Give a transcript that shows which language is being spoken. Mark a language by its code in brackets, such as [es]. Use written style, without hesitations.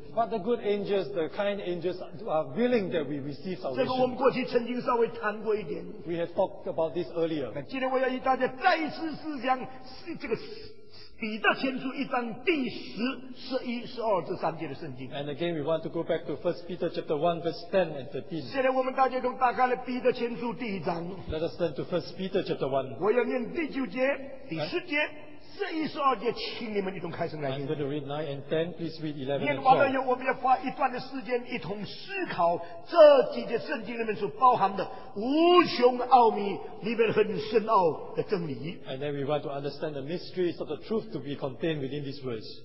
[en] But the good angels, the kind angels, are willing that we receive salvation. [zh] 这个我们过去曾经稍微谈过一点。 [en] We have talked about this earlier. [zh] 今天我要与大家再一次思想这个。彼得前书一章第10、11、12这三节的圣经。 [en] And again, we want to go back to 1 Peter chapter 1, verse 10 and 13. [zh] 现在我们大家都打开了彼得前书第一章。 [en] Let us turn to 1 Peter chapter 1. [zh] 我要念第9节、第10节、11、12节，请你们一同开声来念。 [en] I'm going to read 9 and 10. Please read 11 and [zh] 念完了以后，我们要花一段的时间，一同思考这几节圣经里面所包含的无穷奥秘里面很深奥的真理。 [en] And then we want to understand the mysteries of the truth to be contained within these words.